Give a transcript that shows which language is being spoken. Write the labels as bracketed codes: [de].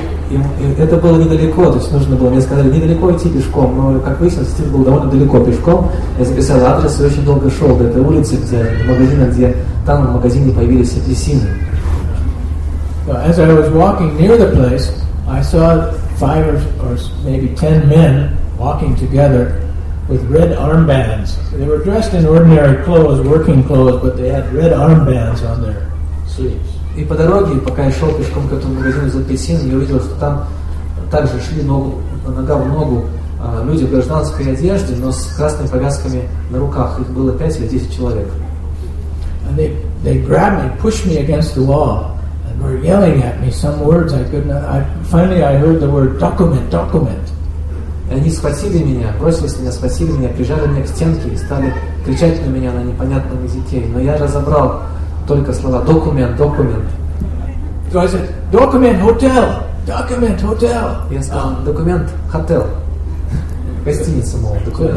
[ru] И это было недалеко, то есть нужно было, мне сказали, недалеко идти пешком, но, как выяснилось, стиль был довольно далеко пешком. Я записал адрес и очень долго шел до этой улицы, где, до магазина, где там в магазине появились апельсины. [en] As I was walking near the place, I saw five or maybe 10 men walking together with red armbands. They were dressed in ordinary clothes, working clothes, but they had red armbands on their sleeves. [ru] И по дороге, пока я шел пешком к этому магазину за апельсинами, я увидел, что там также шли нога в ногу люди в гражданской одежде, но с красными повязками на руках. Их было 5 или 10 человек. [en] And they grabbed me, pushed me against the wall, and were yelling at me some words I could not. Finally, I heard the word document, document. [ru] И они схватили меня, бросились меня, схватили меня, прижали меня к стенке и стали кричать на меня на непонятном языке. Но я разобрал только слова «документ», «документ». [en] So I said, «документ, hotel!» «Документ, hotel!» [ru] Я сказал, «документ, hotel!» Гостиница, мол, «документ».